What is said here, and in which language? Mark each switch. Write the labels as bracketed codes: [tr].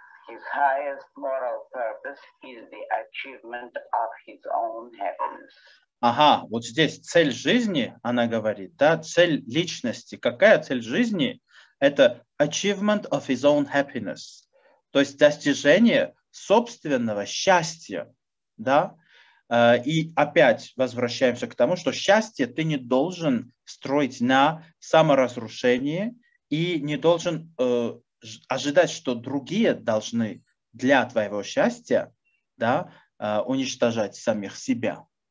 [en] His highest moral purpose is the achievement of his own happiness. [ru] Ага, вот здесь цель жизни, она говорит, да, цель личности. Какая цель жизни? Это [en] achievement of his own happiness. [ru] То есть достижение собственного счастья, да. И опять возвращаемся к тому, что счастье ты не должен строить на саморазрушении и не должен... ожидать, что другие должны для твоего счастья, да, уничтожать самих себя.